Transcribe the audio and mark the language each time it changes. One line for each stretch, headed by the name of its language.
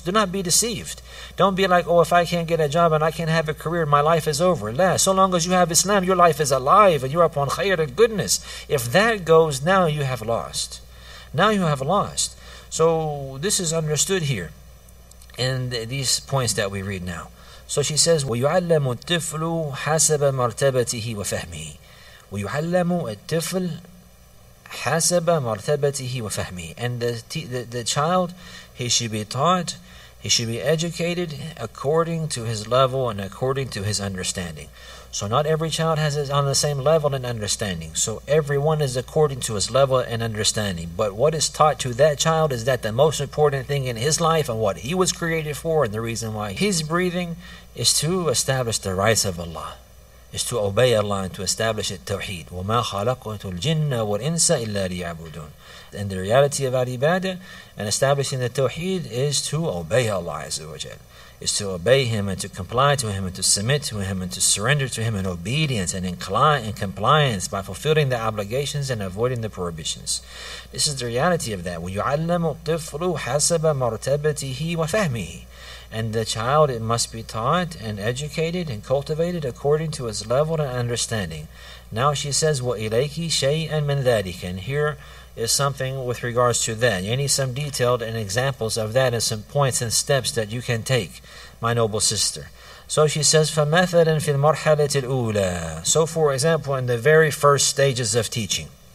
English: Do not be deceived. Don't be like, oh, if I can't get a job and I can't have a career, my life is over. La, so long as you have Islam, your life is alive and you're upon khair and goodness. If that goes, now you have lost. Now you have lost. So this is understood here in these points that we read now. So she says,
Arabic: وَيُعَلَّمُ الْتِفْلُ حَسَبَ مَرْتَبَتِهِ وَفَهْمِهِ وَيُعَلَّمُ الْتِفْلُ حَسَبَ مَرْتَبَتِهِ وَفَهْمِهِ.
English: And the child, he should be taught, he should be educated according to his level and according to his understanding. So not every child has it on the same level and understanding. So everyone is according to his level and understanding. But what is taught to that child is that the most important thing in his life and what he was created for and the reason why he's breathing is to establish the rights of Allah. is to obey Allah and to establish it, tawheed.
Arabic: وَمَا خَلَقْتُ الْجِنَّ وَالْإِنسَ إِلَّا لِيَعْبُدُونَ.
English: And the reality of al-ibadah and establishing the tawheed is to obey Allah Azza wa Jal, is to obey Him and to comply to Him and to submit to Him and to surrender to Him in obedience and in compliance by fulfilling the obligations and avoiding the prohibitions. This is the reality of that.
Arabic: وَيُعَلَّمُ الطِّفْلُ حَسَبَ مَرْتَبَتِهِ وَفَهْمِهِ.
English: And the child, it must be taught and educated and cultivated according to its level and understanding. Now she says,
Arabic: وَإِلَيْكِ شَيْئًا مِنْ ذَلِكَ.
English: And here is something with regards to that. You need some detailed and examples of that and some points and steps that you can take, my noble sister. So she says,
Arabic: فَمَثَلًا فِي الْمَرْحَلَةِ الْأُولَى.
English: So for example, in the very first stages of teaching.